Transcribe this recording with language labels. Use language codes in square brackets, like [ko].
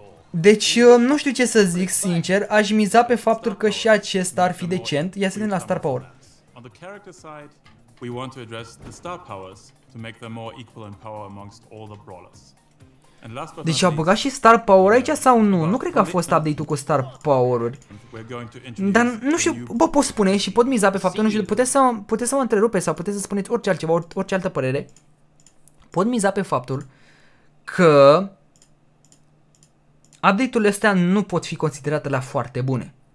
[ro] Deci, nu știu ce să zic sincer, aș miza pe faptul că și acesta ar fi decent. Ia să vedem la Star Power. [en] On the character side, we want to address the star powers to make them more equal in power amongst all the brawlers. [ro] Deci a băgat și Star Power aici sau nu? Nu cred că a fost update-ul cu Star Power-uri. Dar nu știu, bă, pot spune și pot miza pe faptul, nu știu, puteți să mă întrerupeți sau puteți să spuneți orice altceva, orice altă părere. Pot miza pe faptul că update-urile astea nu pot fi considerate la foarte bune.